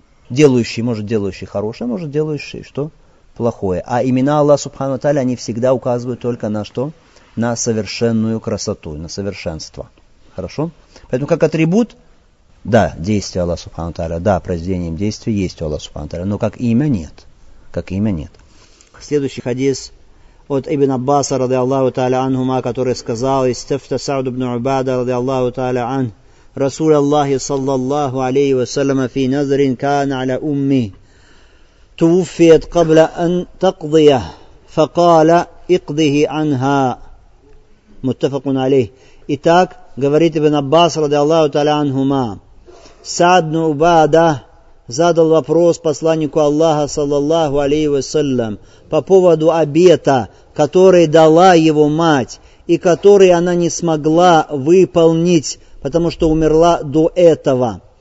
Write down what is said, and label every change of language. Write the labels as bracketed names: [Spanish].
[Russian] Делающий, может, делающий хорошее, может, делающий что? Плохое. А имена Аллаха Субхану Тааля, они всегда указывают только на что? На совершенную красоту, на совершенство. Хорошо? Поэтому как атрибут, да, действие Аллаха Субхану Тааля, да, произведением действия есть у Аллаха Субхану Тааля, но как имя нет. Как имя нет. Следующий хадис от Ибн Аббаса, ради Аллаху Тааля Анхума, который сказал, «Истифта Сауд ибн Убада, ради Аллаху Тааля Анх, [Arabic] رسول الله صلى الله عليه وسلم في نذر كان على أمي توفيت قبل أن تقضيه فقال اقضه عنها متفق عليه. [Russian] Итак, говорит ибн Аббас رضي الله تعالى عنهما, Саад ибн Убада задал вопрос посланнику Аллаха صلى الله عليه وسلم по поводу обета, который дала его мать и который она не смогла выполнить, потому что умерла до этого.